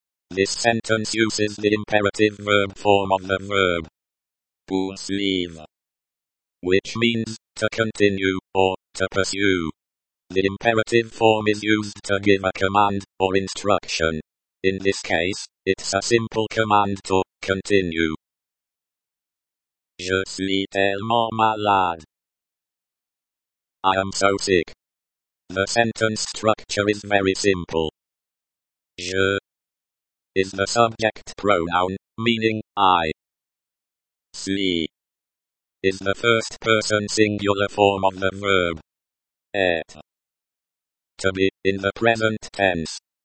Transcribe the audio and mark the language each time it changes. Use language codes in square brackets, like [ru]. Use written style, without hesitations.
[en] This sentence uses the imperative verb form of the verb. Poursuivre. Which means, to continue, or, to pursue. The imperative form is used to give a command, or instruction. In this case, it's a simple command to continue. [fr] Je suis tellement malade. [en] I am so sick. The sentence structure is very simple. Je is the subject pronoun, meaning I. Suis is the first person singular form of the verb être to be, in the present tense.